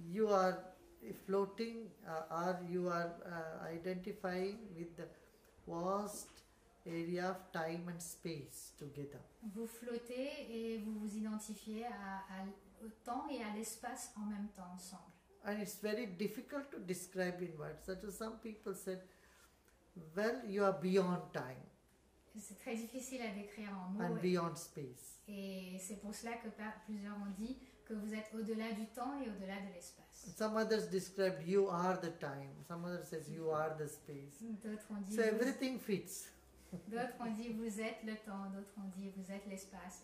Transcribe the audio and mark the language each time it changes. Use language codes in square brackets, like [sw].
[en] You are floating, or you are identifying with the vast area of time and space together. [fr] Vous flottez et vous vous identifiez au temps et à l'espace en même temps ensemble. [en] And it's very difficult to describe in words. So some people said, well, you are beyond time. [fr] C'est très difficile à décrire en mots. [en] And beyond space. [fr] Et c'est pour cela que plusieurs ont dit que vous êtes au-delà du temps et au-delà de l'espace. [en] Some others described you are the time. Some others says you are the space. [fr] D'autres ont dit [en] so everything fits. [fr] D'autres ont dit vous êtes le temps, d'autres ont dit vous êtes l'espace.